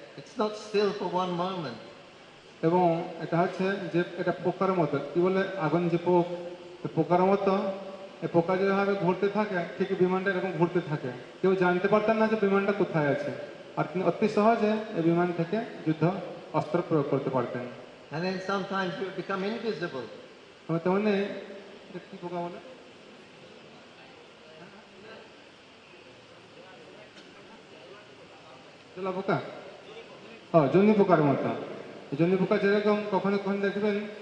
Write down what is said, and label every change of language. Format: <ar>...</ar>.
<en>It's not still for one moment.</en> <bn>এবং এটা হচ্ছে যে এটা পোকার মতো, কি বলে আগুন যে পোক, পোকার মতো পোকা যেভাবে ঘুরতে থাকে ঠিক বিমানটা এরকম ঘুরতে থাকে, কেউ জানতে পারতেন না যে বিমানটা কোথায় আছে, আর তিনি অতি সহজে এই বিমান থেকে যুদ্ধ অস্ত্র প্রয়োগ করতে পারতেন।</bn> <en>And then sometimes you become invisible.</en> <bn>তবে তেমনি কি পোকা বলে চলা পোকা, হ্যাঁ জন্য পোকার মতো, জন্য পোকা যেরকম কখনো কখনো দেখবেন</bn>